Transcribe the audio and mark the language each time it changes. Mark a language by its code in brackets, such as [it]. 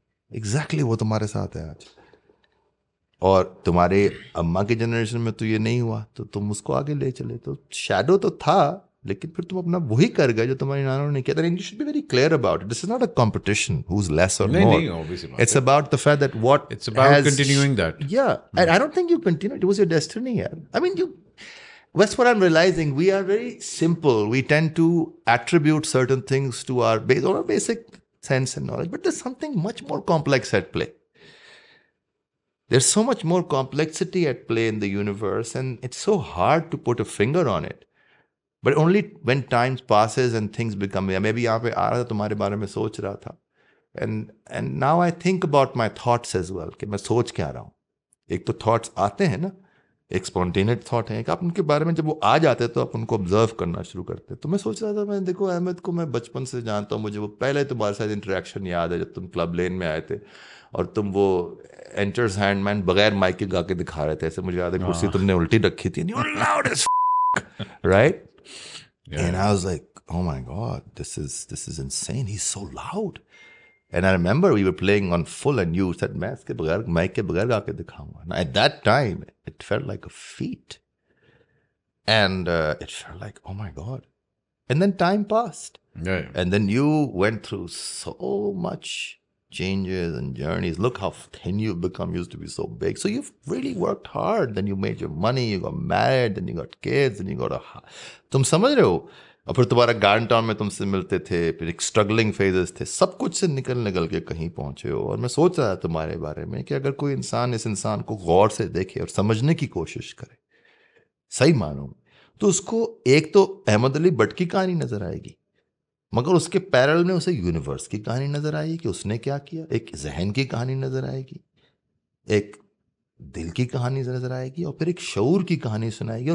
[ur] Exactly وہ تمہارے ساتھ ہے آج, اور تمہارے اماں کی جنریشن میں تو یہ نہیں ہوا, تو تم اس کو آگے لے چلے. تو شیڈو تو تھا, لیکن پھر تم اپنا وہی کر گئے جو تمہاری نانوں نے کیا تھا. [en] You should be very clear about it, this is not a competition who's less or more. It's about the fact that what it's about continuing that. یا I don't think you continue, it was your destiny. یار I mean you, that's what I'm realizing, we are very simple, we tend to attribute certain things to our basic sense and knowledge, but there's something much more complex at play. There's so much more complexity at play in the universe, and it's so hard to put a finger on it, but only when time passes and things become, maybe [ur] yahan pe aa raha tha [en] tumhare bare mein soch raha tha, and now I think about my thoughts as well, [ur] ki main soch kya raha hu. Ek to thoughts aate hain na, ایک اسپونٹینیٹ thought ہیں کہ آپ ان کے بارے میں جب وہ آ جاتے تو آپ ان کو آبزرو کرنا شروع کرتے. تو میں سوچ رہا تھا, میں دیکھو احمد کو میں بچپن سے جانتا ہوں, مجھے وہ پہلے تمہارے ساتھ انٹریکشن یاد ہے جب تم کلب لین میں آئے تھے اور تم وہ انٹرز ہینڈ مین بغیر مائک کے گا کے دکھا رہے تھے, ایسے مجھے یاد ہے کرسی تم نے الٹی رکھی تھی, [en] You are loud as fuck right, and I was like oh my God this is insane, he is so loud. And I remember we were playing on full and you said, [ur] mask ke bagair, mic ke bagair gaake dikhaunga. [en] Now at that time, it felt like a feat. And it felt like, oh my God. And then time passed. Yeah. And then you went through so much changes and journeys. Look how thin you've become. You used to be so big. So you've really worked hard. Then you made your money. You got married. Then you got kids. Then you got a... [ur] Tum samajh rahe ho? اور پھر تمہارا garden town میں تم سے ملتے تھے, پھر ایک اسٹرگلنگ فیزز تھے, سب کچھ سے نکل کے کہیں پہنچے ہو. اور میں سوچ رہا تھا تمہارے بارے میں کہ اگر کوئی انسان اس انسان کو غور سے دیکھے اور سمجھنے کی کوشش کرے صحیح معنوں میں, تو اس کو ایک تو احمد علی بٹ کی کہانی نظر آئے گی, مگر اس کے پیرل میں اسے یونیورس کی کہانی نظر آئے گی کہ اس نے کیا کیا, ایک ذہن کی کہانی نظر آئے گی, ایک دل کی کہانی نظر آئے گی, اور پھر ایک شعور کی کہانی سنائے گی.